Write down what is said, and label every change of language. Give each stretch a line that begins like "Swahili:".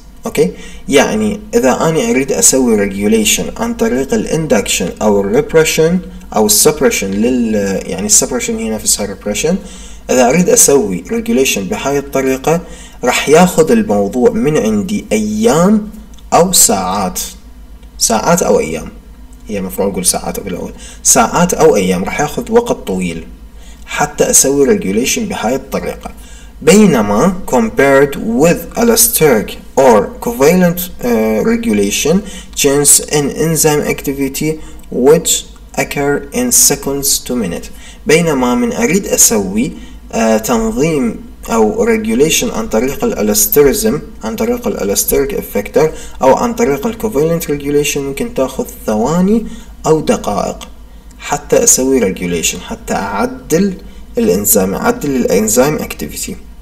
Arabic: أوكي؟ يعني إذا أنا أريد أسوي regulation عن طريق الinduction أو الrepression أو suppression يعني suppression هنا في صار repression، إذا أريد أسوي regulation بهاي الطريقة راح ياخذ الموضوع من عندي أيام أو ساعات، ساعات أو أيام، هي مفروض أقول ساعات بالأول، ساعات أو أيام، راح ياخذ وقت طويل حتى أسوي regulation بهاي الطريقة.
English: بينما compared with allosteric or covalent regulation change in enzyme activity which occur in seconds to minute.
Arabic: بينما من أريد أسوي تنظيم أو regulation عن طريق الالاستيرزم، عن طريق الالاستيريك افكتر، أو عن طريق الكوفالنت regulation، ممكن تأخذ ثواني أو دقائق حتى أسوي regulation، حتى أعدل الإنزيم، أعدل الإنزيم activity.